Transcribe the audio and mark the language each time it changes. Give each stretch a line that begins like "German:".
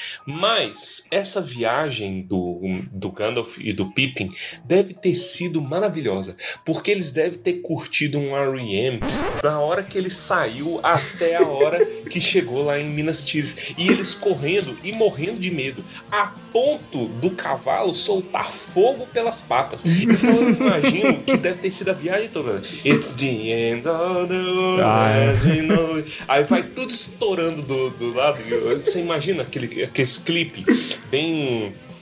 Portuguese: Mas essa viagem do Gandalf e do Pipim deve ter sido maravilhosa, porque eles devem ter curtido um R.E.M. da hora que ele saiu até a hora que chegou lá em Minas Tirith. E eles correndo e morrendo de medo, a ponto do cavalo soltar fogo pelas patas. Então eu imagino que deve ter sido a viagem toda.
English: It's the end of the world, as we know.
Portuguese: Aí vai tudo estourando do lado. Você imagina aquele clipe bem...